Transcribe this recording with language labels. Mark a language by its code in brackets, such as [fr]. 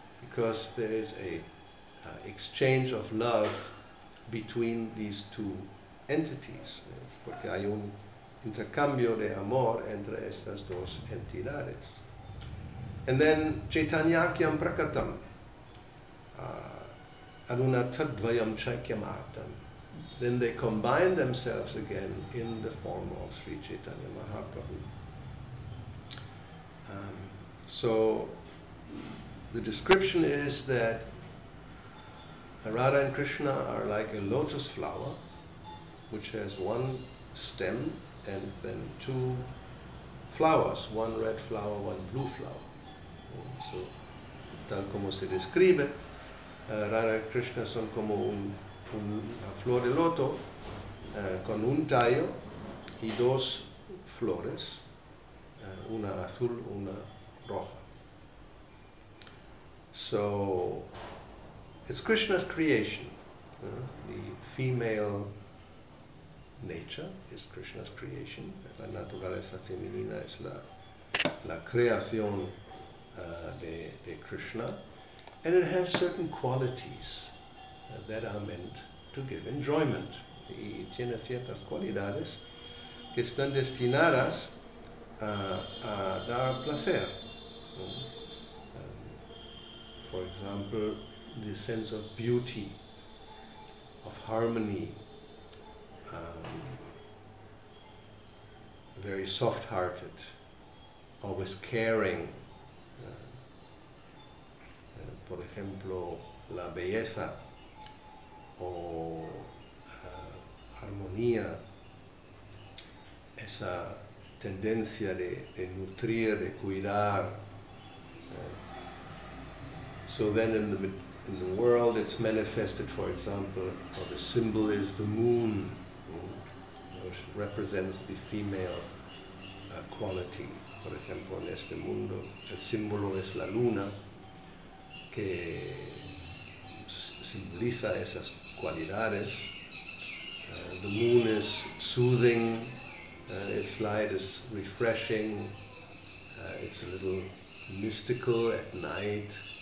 [en] Because there is a exchange of love between these two entities. [es] Porque hay un intercambio de amor entre estas dos entidades. [en] And then [sa] chaitanyakyam prakatam aduna tadvayam chakyam artam. [en] Then they combine themselves again in the form of Sri Chaitanya Mahaprabhu. So the description is that Radha and Krishna are like a lotus flower which has one stem and then two flowers, one red flower, one blue flower. [es] So, tal como se describe, Radha y Krishna son como una flor de loto con un tallo y dos flores, una azul, una roja. [en] So, it's Krishna's creation, the female nature is Krishna's creation. [es] La naturaleza femenina es la creación de Krishna. [en] And it has certain qualities that are meant to give enjoyment. [es] Y tiene ciertas cualidades que están destinadas a dar placer. [en] For example, the sense of beauty, of harmony, very soft-hearted, always caring, [es] por ejemplo, la belleza o armonía, esa tendencia de nutrir, de cuidar. [en] So then in the world it's manifested, for example, or the symbol is the moon, which represents the female quality. [es] Por ejemplo, en este mundo el símbolo es la luna, que simboliza esas cualidades. [en] The moon is soothing, its light is refreshing, it's a little mystical at night.